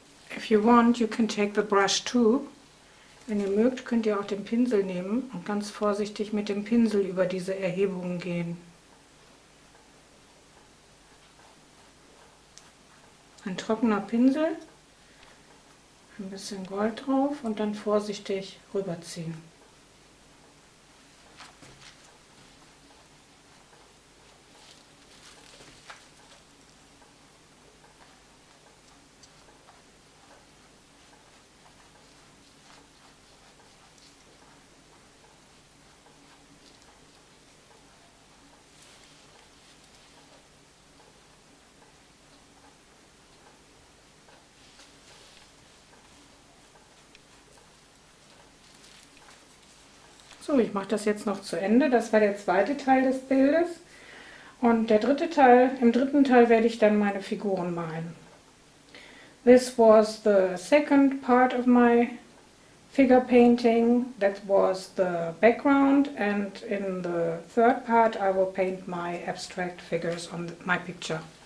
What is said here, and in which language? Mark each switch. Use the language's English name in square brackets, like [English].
[English] If you want, you can take the brush too. [German] Wenn ihr mögt, könnt ihr auch den Pinsel nehmen und ganz vorsichtig mit dem Pinsel über diese Erhebungen gehen. Ein trockener Pinsel, ein bisschen Gold drauf und dann vorsichtig rüberziehen. So, ich mache das jetzt noch zu Ende. Das war der zweite Teil des Bildes. Und der dritte Teil, im dritten Teil werde ich dann meine Figuren malen. [English] This was the second part of my figure painting. That was the background. And in the third part I will paint my abstract figures on my picture.